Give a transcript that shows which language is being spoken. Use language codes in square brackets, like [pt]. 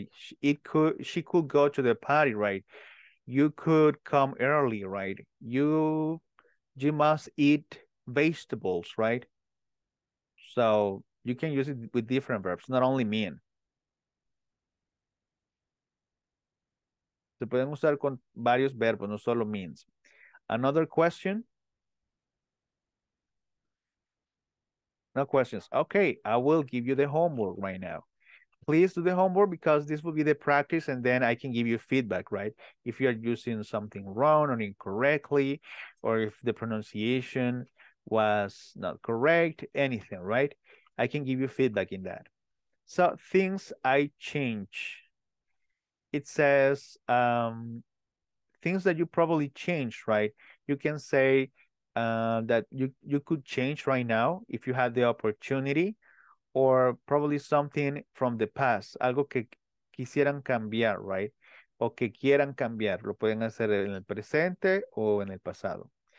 [en] She could go to the party, right? You could come early, right? You must eat vegetables, right? So you can use it with different verbs, not only mean. [es] Se pueden usar con varios verbos, no solo means. [en] Another question? No questions. Okay, I will give you the homework right now. Please do the homework because this will be the practice and then I can give you feedback, right? If you are using something wrong or incorrectly, or if the pronunciation was not correct, anything, right? I can give you feedback in that. So, things I change. It says things that you probably changed, right? You can say that you could change right now if you had the opportunity, or probably something from the past, [es] algo que quisieran cambiar, [en] right? [es] O que quieran cambiar, lo pueden hacer en el presente o en el pasado.